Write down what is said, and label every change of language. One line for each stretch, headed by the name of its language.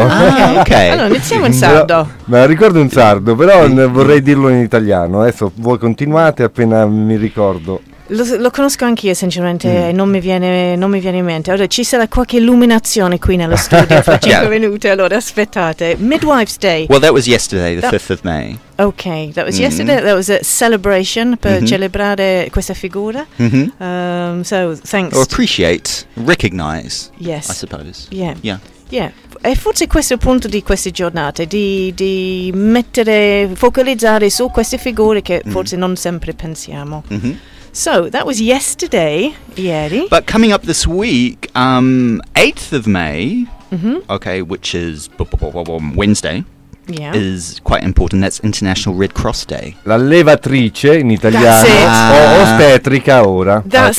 Italian: Allora, iniziamo in sardo. Ma ricordo in sardo, però vorrei dirlo in italiano. Adesso voi continuate appena mi ricordo. Lo conosco anch'io, sinceramente, non mi viene in mente. Allora, ci sarà qualche illuminazione qui nello studio fra 5 yeah. minuti, allora aspettate. Midwife's Day.
English: Well, that was yesterday, the 5th of May. Okay, that was yesterday, that was a celebration
Italian: per celebrare questa figura.
English: So, thanks. Or appreciate, recognize, yes. I suppose. Yeah. Yeah. Yeah.
Italian: E forse questo è il punto di queste giornate, di mettere, focalizzare su queste figure che forse non sempre pensiamo.
English: So, that was yesterday, ieri. But coming up this week, 8th of May, okay, which is Wednesday, yeah. is quite important, that's International Red Cross Day.
Italian: La levatrice in italiano, ostetrica ora.
English: That's